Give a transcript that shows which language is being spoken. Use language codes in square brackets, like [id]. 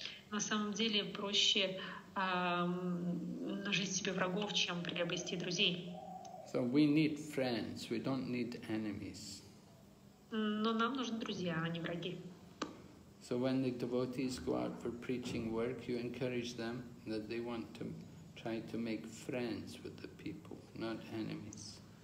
[ru] На самом деле проще нажить себе врагов, чем приобрести друзей. [en] So we need friends, we don't need enemies. [ru] Но нам нужны друзья, а не враги. [en] So when the devotees go out for preaching work, you encourage them that they want to try to make friends with the people, not enemies.